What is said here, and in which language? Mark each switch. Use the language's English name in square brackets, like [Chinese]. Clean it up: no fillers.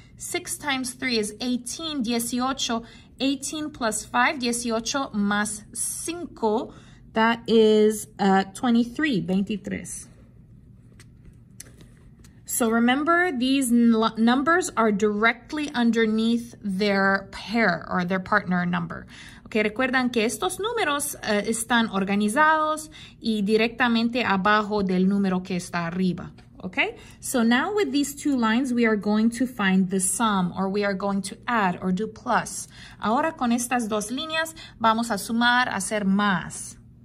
[English] 6 times 3 is 18, 18. 18 plus 5, [Spanish] 18 más 5. [English] That is 23, 23. So remember, these numbers are directly underneath their pair or their partner number. [Spanish] Okay, recuerdan que estos números están organizados y directamente abajo del número que está arriba. [English] Okay, so now with these two lines, we are going to find the sum, or we are going to add or do plus. [Spanish] Ahora con estas dos líneas, vamos a sumar, hacer más.